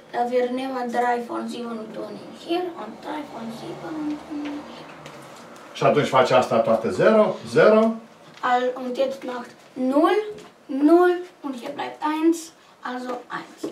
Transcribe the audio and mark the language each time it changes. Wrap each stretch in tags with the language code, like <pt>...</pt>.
<de>Wir nehmen 3 von 7 und tun ihn hier und 3 von 7 und tun ihn hier.</de> <ro>Și atunci face asta toate 0, 0.</ro> <de>Und jetzt macht 0, 0 und hier bleibt 1, also 1.</de>